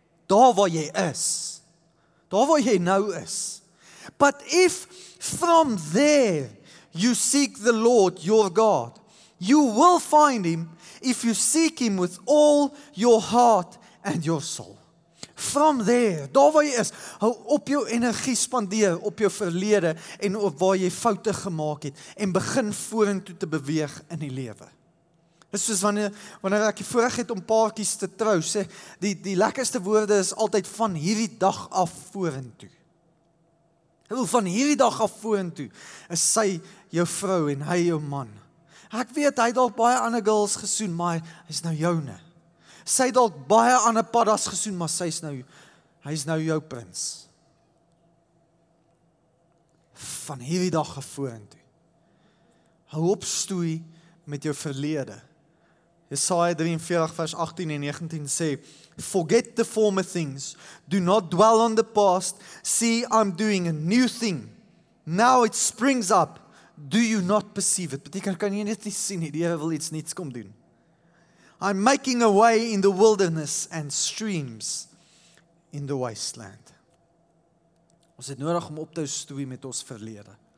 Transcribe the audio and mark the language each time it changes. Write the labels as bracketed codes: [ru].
[af] Daar waar jy is. Daar waar jy nou is. [en] But if from there you seek the Lord your God, you will find him if you seek him with all your heart and your soul. From there, [af] daar waar jy is, hou op jou energie spandeer op jou verlede en op waar jy foute gemaak het en begin vorentoe te beweeg in die lewe. Dit is soos wanneer ek die voorreg het om paartjies te trou, sê, die lekkerste woorde is altyd van hierdie dag af vorentoe. Hoe van hierdie dag af vorentoe is sy jou vrou en hy jou man. Ek weet, hy het al baie ander girls gesoen, maar hy is nou joune. Sy het al baie ander paddas gesoen, maar hy is nou jou prins. Van hierdie dag af vorentoe. Hou op stoei met jou verlede. Jesaja 43 vers 18 en 19 sê, [en] forget the former things, do not dwell on the past, see I'm doing a new thing, now it springs up, do you not perceive it? [af] Beteken, kan jy net nie sien nie, die Here wil iets niets kom doen. [en] I'm making a way in the wilderness and streams in the wasteland. [af] Ons het nodig om op te stoei met ons verlede.